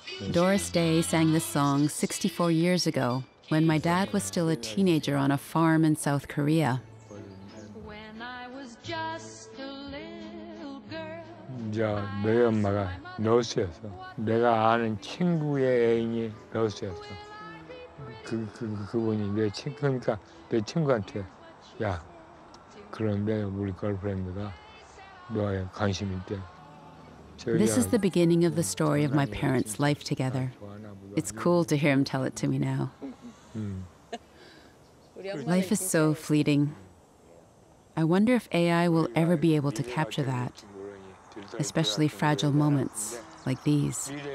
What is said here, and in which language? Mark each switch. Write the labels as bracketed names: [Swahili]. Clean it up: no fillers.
[English] Doris Day sang this song 64 years ago when my dad was still a teenager on a farm in South Korea. When I was just a little girl. [Korean] 이제 너희 엄마가 러시아에서 내가 아는 친구의 애인이 러시아에서 그분이 내 친구니까 그러니까 내 친구한테 야 그런데 우리 걸프렌드가 너의 관심 있대. [English] This is the beginning of the story of my parents' life together. It's cool to hear him tell it to me now. Life is so fleeting. I wonder if AI will ever be able to capture that, especially fragile moments like these.